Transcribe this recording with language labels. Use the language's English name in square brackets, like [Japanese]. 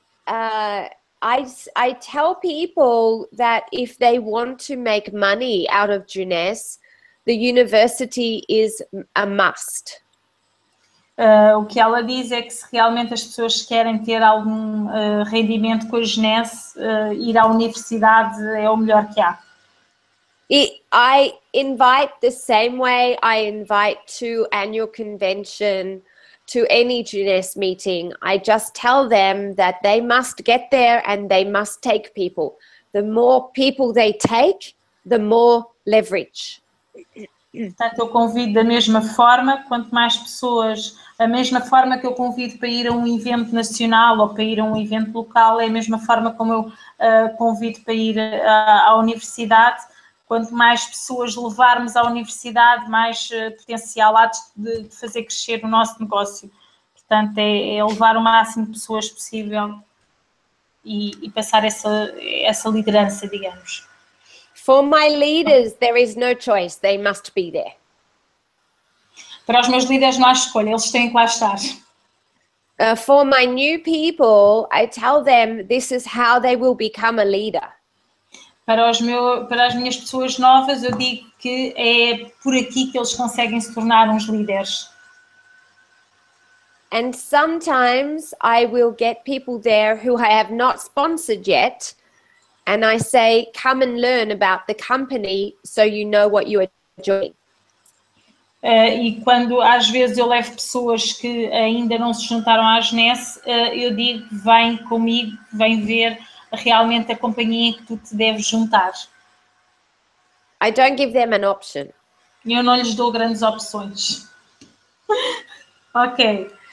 [English] I tell people that if they want to make money out of Jeunesse, the university is a must. [Portuguese] O que ela diz é que se realmente as pessoas querem ter algum rendimento com a Jeunesse, ir à universidade é o melhor que há. [English] I invite the same way I invite to annual convention, to any Jeunesse meeting. I just tell them that they must get there and they must take people. The more people they take, the more leverage. [Portuguese] Portanto, eu convido da mesma forma, quanto mais pessoas, a mesma forma que eu convido para ir a um evento nacional ou para ir a um evento local, é a mesma forma como eu convido para ir à universidade. Quanto mais pessoas levarmos à universidade, mais potencial há de fazer crescer o nosso negócio. Portanto, é levar o máximo de pessoas possível e passar essa liderança, digamos. [English] For my leaders, there is no choice. They must be there. [Portuguese] Para os meus líderes, não há escolha. Eles têm que lá estar. [English] For my new people, I tell them this is how they will become a leader. [Portuguese] Para as minhas pessoas novas, eu digo que é por aqui que eles conseguem se tornar uns líderes. [English] And sometimes I will get people there who I have not sponsored yet. And I say, come and learn about the company so you know what you are doing. [Portuguese] E quando às vezes eu levo pessoas que ainda não se juntaram à Jeunesse, eu digo, vem comigo, vem ver realmente a companhia que tu te deves juntar. [English] I don't give them an option. [Portuguese] Eu não lhes dou grandes opções. Ok.